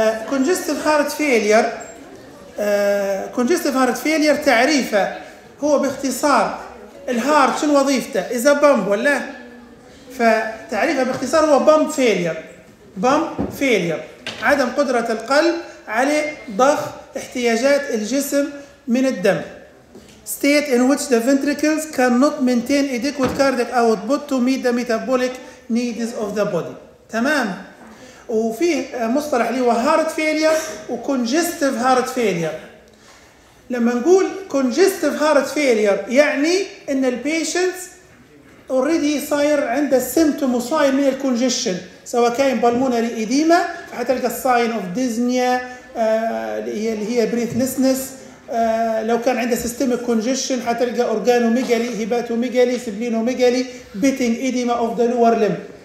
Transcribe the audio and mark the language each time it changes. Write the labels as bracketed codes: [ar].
[ar] كونجستيف هارت فيلير، كونجستيف هارت فيلير تعريفه هو باختصار الهارت شنو وظيفته؟ اذا بامب ولا فتعريفه باختصار هو بامب فيلير. بامب فيلير عدم قدرة القلب على ضخ احتياجات الجسم من الدم. [en] State in which the ventricles cannot maintain adequate cardiac output to meet the metabolic needs of the body. [ar] تمام. وفي مصطلح اللي هو heart failure و congestive heart failure. لما نقول congestive heart failure يعني ان البيشنت اوريدي صاير عنده سيمتوم وصاير من الكونجيشن، سواء كان بالمونري إديما فحتلقى الساين اوف ديزنيا اللي هي بريثلسنس، لو كان عنده سيستميك كونجيشن حتلقى اورجانوميجالي هيباتوميجالي سبلينوميجالي بيتنج إديما اوف ذا لوور ليم.